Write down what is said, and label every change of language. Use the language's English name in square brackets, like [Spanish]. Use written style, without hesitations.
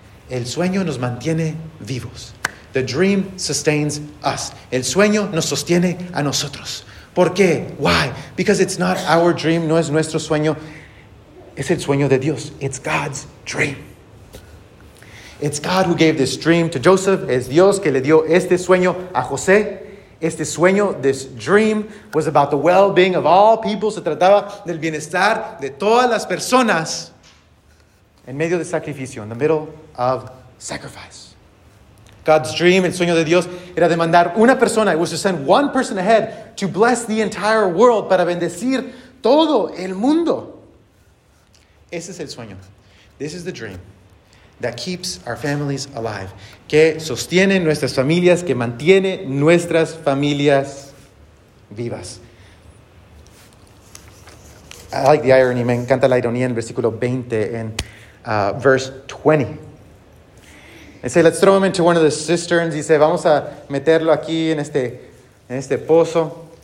[Spanish] El sueño nos mantiene vivos. [English] The dream sustains us. [Spanish] El sueño nos sostiene a nosotros. ¿Por qué? [English] Why? Because it's not our dream. [Spanish] No es nuestro sueño. Es el sueño de Dios. [English] It's God's dream. It's God who gave this dream to Joseph. [Spanish] Es Dios que le dio este sueño a José. Este sueño, [English] this dream, was about the well-being of all people. [Spanish] Se trataba del bienestar de todas las personas. En medio de sacrificio, [English] in the middle of sacrifice. God's dream, [Spanish] el sueño de Dios, era de mandar una persona. [English] It was to send one person ahead to bless the entire world, [Spanish] para bendecir todo el mundo. Ese es el sueño. [English] This is the dream that keeps our families alive. [Spanish] Que sostiene nuestras familias, que mantiene nuestras familias vivas. [English] I like the irony. [Spanish] Me encanta la ironía en el versículo 20, [English] en verse 20. They say, let's throw him into one of the cisterns. [Spanish] Dice, vamos a meterlo aquí en este pozo.